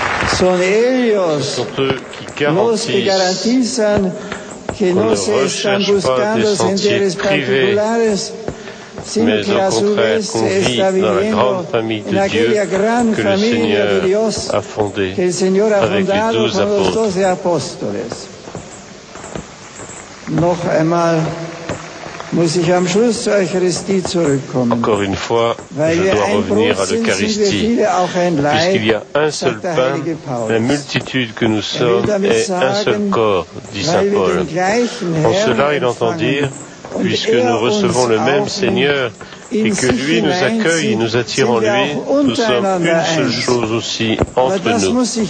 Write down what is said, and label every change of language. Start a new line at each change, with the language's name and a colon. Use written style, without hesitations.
French: Ce sont eux qui garantissent qu'on ne recherche pas des sentiers privés mais au contraire qu'on vit dans la grande famille de Dieu que le Seigneur a fondée avec les 12 apôtres.
German: Noch einmal muss ich am Schluss zur Eucharistie zurückkommen.
French: Encore une fois, je dois revenir à l'Eucharistie, puisqu'il y a un seul pain, la multitude que nous sommes est un seul corps, dit saint Paul. En cela, il entend dire, puisque nous recevons le même Seigneur et que lui nous accueille et nous attire en lui, nous sommes une seule chose aussi entre nous.